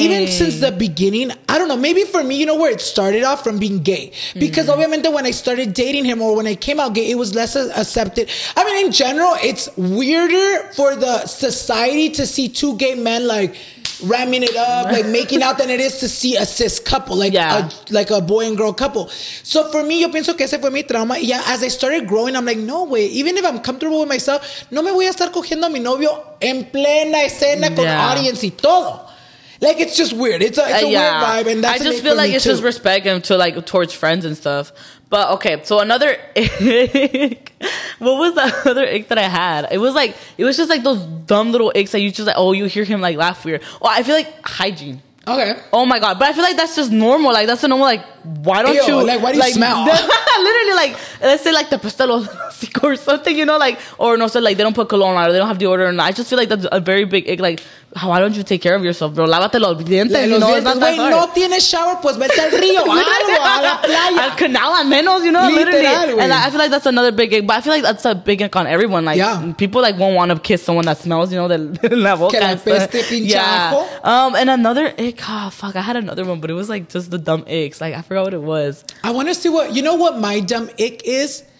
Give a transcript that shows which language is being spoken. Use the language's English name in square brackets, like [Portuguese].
[English] Even since the beginning, I don't know, maybe for me, you know where it started off? From being gay. Because obviously when I started dating him or when I came out gay, it was less accepted. I mean, in general, it's weirder for the society to see two gay men, like, ramming it up, like, making out, than it is to see a cis couple, like, like a boy and girl couple. So for me, [Spanish] yo pienso que ese fue mi trauma. [English] Yeah, as I started growing, I'm like, no way, even if I'm comfortable with myself, [Spanish] no me voy a estar cogiendo a mi novio en plena escena con [English] audience y todo. Like, it's just weird. It's a weird vibe, and that's I just feel like it's too. Just respect and to, like, towards friends and stuff. But okay, so another ick. What was the other ick that I had? It was like, it was just like those dumb little icks that you just like, oh, you hear him like laugh weird. Well, I feel like hygiene. Okay. Oh my God. But I feel like that's just normal. Like, that's a normal, like, why don't you, like, why do you like, smell? Literally, like, let's say, like, the pastel or something, you know, like, or no, so, like, they don't put cologne on or they don't have deodorant. I just feel like that's a very big, like, why don't you take care of yourself, bro? [Spanish] Lávate los dientes, [English] you know, it's not that hard. [Spanish] No tienes shower, pues vete al río, a la playa. Al canal, al menos, you know, literally. [English] And I feel like that's another big gig, but I feel like that's a big gig on everyone. Like, yeah. People, like, won't want to kiss someone that smells, you know, in [Spanish] la boca. Que la peste pinchajo. [English] And another ick, oh, fuck, I had another one, but it was, like, just the dumb icks. Like, I forgot what it was. I want to see what, you know what my dumb ick is?